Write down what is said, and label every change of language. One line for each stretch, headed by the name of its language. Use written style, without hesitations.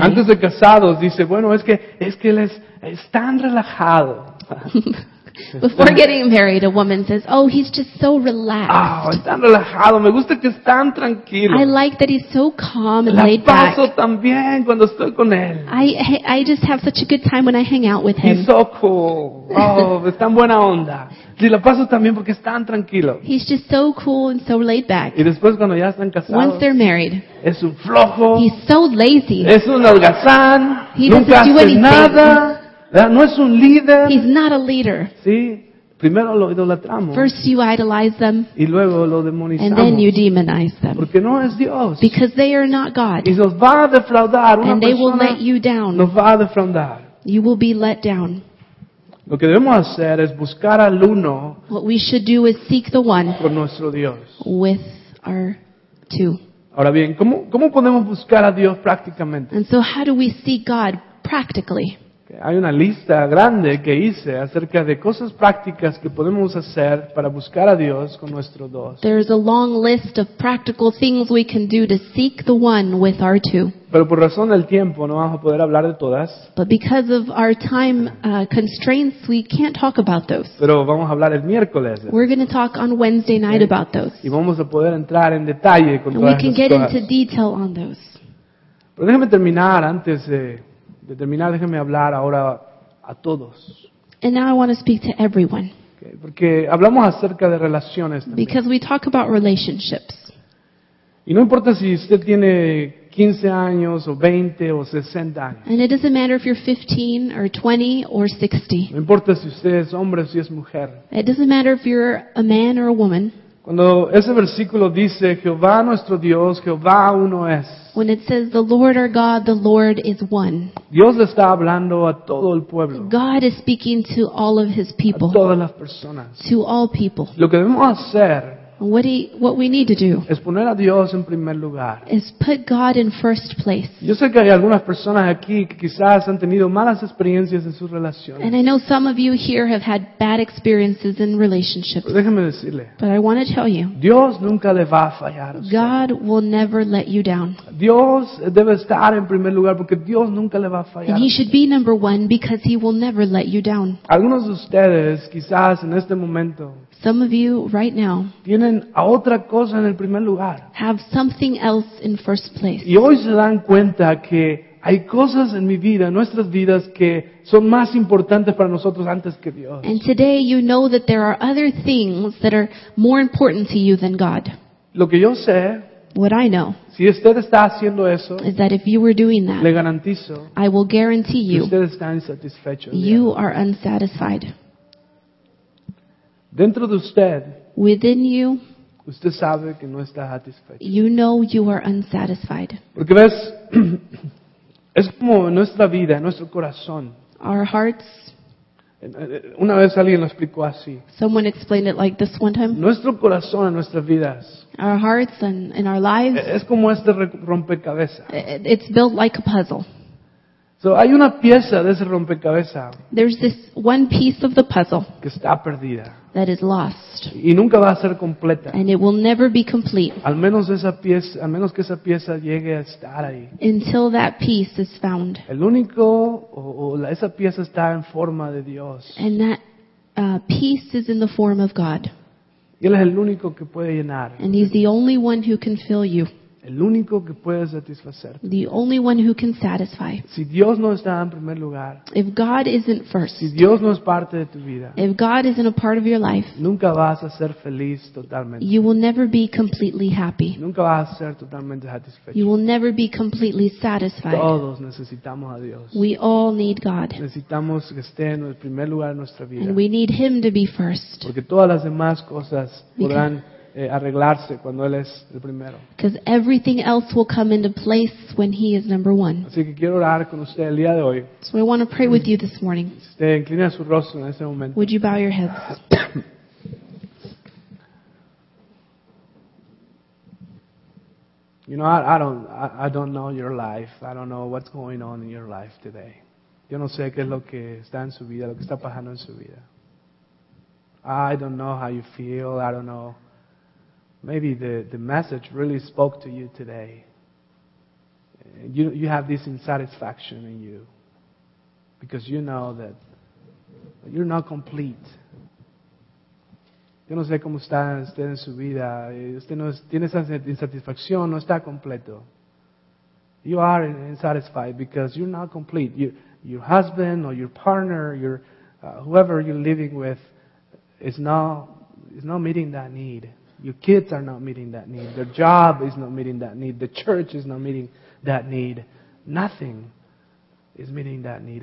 Spanish: Antes de casados dice, bueno, es que él es tan relajado.
English: Before getting married, a woman says, oh, he's just so relaxed.
Spanish: Oh, es tan relajado. Me gusta que es tan tranquilo.
English: I like that he's so calm and la laid back.
Spanish: La paso tan bien cuando estoy con él.
English: I just have such a good time when I hang out with him. He's so cool.
Spanish: Oh, es tan buena onda. Sí, la paso también porque es tan tranquilo.
English: He's just so cool and so laid back.
Spanish: Y después cuando ya están casados.
English: Once they're married.
Spanish: Es un flojo.
English: He's so lazy.
Spanish: Es un holgazán.
English: He doesn't do anything.
Spanish: Nunca hace nada. No es un líder.
English: He's not a leader.
Spanish: Sí, primero lo idolatramos.
English: First you idolize them.
Spanish: Y luego lo demonizamos.
English: And then you demonize them.
Spanish: Porque no es Dios.
English: Because they are not God.
Spanish: Y nos va a defraudar.
English: And they will let you down.
Spanish: Nos va a defraudar.
English: You will be let down.
Spanish: Lo que debemos hacer es buscar al uno.
English: What we should do is seek the one.
Spanish: Con nuestro Dios.
English: With our two.
Spanish: Ahora bien, ¿cómo podemos buscar a Dios prácticamente?
English: And so how do we seek God practically?
Spanish: Hay una lista grande que hice acerca de cosas prácticas que podemos hacer para buscar a Dios con nuestro dos.
English: There is a long list of practical things we can do to seek the one with our two.
Spanish: Pero por razón del tiempo no vamos a poder hablar de todas.
English: But because of our time constraints, we can't talk about those.
Spanish: Pero vamos a hablar el miércoles.
English: We're going to talk on Wednesday night about those.
Spanish: Y vamos a poder entrar en detalle con
English: and
Spanish: todas
English: we can
Spanish: esas
English: get
Spanish: cosas.
English: Into detail on those.
Spanish: Pero déjame terminar antes de terminar, déjeme hablar ahora a todos.
English: And now I want to speak to everyone.
Spanish: Okay, porque hablamos acerca de relaciones también.
English: Because we talk about relationships.
Spanish: Y no importa si usted tiene 15 años o 20 o 60 años.
English: And it doesn't matter if you're 15 or 20 or 60.
Spanish: No importa si usted es hombre o si es mujer.
English: It doesn't matter if you're a man or a woman.
Spanish: Cuando ese versículo dice Jehová nuestro Dios, Jehová uno es.
English: When it says the Lord our God, the Lord is one.
Spanish: Dios está hablando a todo el pueblo.
English: God is speaking to all of his people.
Spanish: A todas las personas.
English: To all people.
Spanish: Lo que debemos hacer
English: what we need to do
Spanish: es poner a Dios en primer lugar.
English: Is put God in first place.
Spanish: Yo sé que hay algunas personas aquí que quizás han tenido malas experiencias en sus relaciones.
English: And I know some of you here have had bad experiences in relationships.
Spanish: Pero déjame decirle.
English: But I want to tell you.
Spanish: Dios nunca le va a fallar.
English: God will never let you down.
Spanish: Dios debe estar en primer lugar porque Dios nunca le va a fallar.
English: And he should be number one because he will never let you down.
Spanish: Algunos de ustedes quizás en este momento.
English: Some of you right now
Spanish: tienen a otra cosa en el primer lugar.
English: Have something else in first place.
Spanish: Y hoy se dan cuenta que hay cosas en mi vida, en nuestras vidas, que son más importantes para nosotros antes que Dios.
English: And today you know that there are other things that are more important to you than God.
Spanish: Lo que yo sé,
English: what I know,
Spanish: si usted está haciendo eso,
English: is that if you were doing that,
Spanish: le garantizo,
English: I will guarantee you,
Spanish: usted está insatisfecho.
English: You are unsatisfied.
Spanish: Dentro de usted,
English: within you,
Spanish: usted sabe que no está satisfecho.
English: You know you are unsatisfied.
Spanish: Porque ves, es como nuestra vida, nuestro corazón.
English: Our hearts.
Spanish: Una vez alguien lo explicó así.
English: Someone explained it like this one time.
Spanish: Nuestro corazón en nuestras vidas.
English: Our hearts and our lives.
Spanish: Es como este rompecabezas.
English: It's built like a puzzle.
Spanish: So hay una pieza de ese rompecabezas.
English: There's this one piece of the puzzle.
Spanish: Que está perdida.
English: That is lost.
Spanish: Y nunca va a ser completa.
English: And it will never be complete.
Spanish: Al menos esa pieza, al menos que esa pieza llegue a estar ahí.
English: Until that piece is found.
Spanish: El único esa pieza está en forma de Dios.
English: And that piece is in the form of God.
Spanish: Y él es el único que puede llenar.
English: And he's the only one who can fill you.
Spanish: El único que puede satisfacer.
English: The only one who can satisfy.
Spanish: Si Dios no está en primer lugar.
English: If God isn't first.
Spanish: Si Dios no es parte de tu vida.
English: If God isn't a part of your life.
Spanish: Nunca vas a ser feliz totalmente.
English: You will never be completely happy.
Spanish: Nunca vas a ser totalmente satisfecho.
English: You will never be completely satisfied.
Spanish: Todos necesitamos a Dios.
English: We all need God.
Spanish: Necesitamos que esté en el primer lugar en nuestra vida.
English: And we need him to be first.
Spanish: Porque todas las demás cosas podrán arreglarse cuando él es el primero.
English: Because everything else will come into place when he is number one.
Spanish: Así que quiero orar con usted el día de hoy.
English: So I want to pray with you this morning.
Spanish: Usted inclina su rostro en ese momento.
English: Would you bow your heads? You know, I don't know your life. I don't know what's going on in your life today.
Spanish: Yo no sé qué es lo que está en su vida, lo que está pasando en su vida.
English: I don't know how you feel. I don't know. Maybe the message really spoke to you today. You have this insatisfaction in you because you know that you're not complete.
Spanish: Yo no sé cómo está usted en su vida. Usted no tiene esa insatisfacción, no está completo.
English: You are insatisfied because you're not complete. Your husband or your partner, whoever you're living with, is not meeting that need. Your kids are not meeting that need. Their job is not meeting that need. The church is not meeting that need. Nothing is meeting that need.